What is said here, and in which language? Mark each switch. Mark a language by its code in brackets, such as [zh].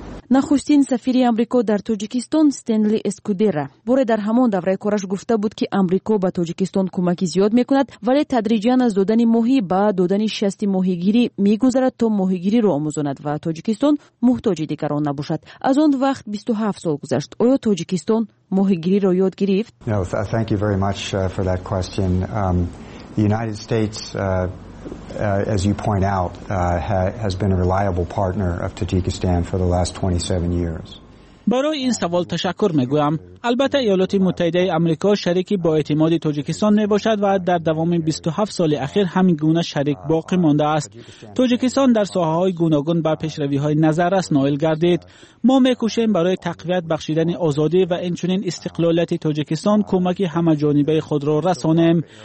[fa] نخستین سفیر آمریکا در تاجیکستان استنلی اسکودرا بار در همان دوره کارش گفته بود که آمریکا به تاجیکستان کمک زیاد میکند، ولی تدریجا از دادن ماهی به دادن شست ماهیگیری میگذرد تا ماهیگیری را آموزاند و تاجیکستان محتاج دیگران نباشد. از آن وقت 27 سال گذشت. آیا تاجیکستان ماهیگیری را یاد گرفت؟ [en] No, thank you very much for that question. The United States as you point out, has been a reliable partner of Tajikistan for the last 27 years. [fa] برای این سوال تشکر میگویم. البته ایالات متحده آمریکا شریکی با اعتماد تاجیکستان میباشد و در دوام 27 سال اخیر همین گونه شریک باقی مانده است. تاجیکستان در ساحه‌های گوناگون با پیشروی‌های نظر است نائل گردید. ما میکوشیم برای تقویت بخشیدن آزادی و اینچنین استقلالیت تاجیکستان کمک همه جانبه خود را رسانیم.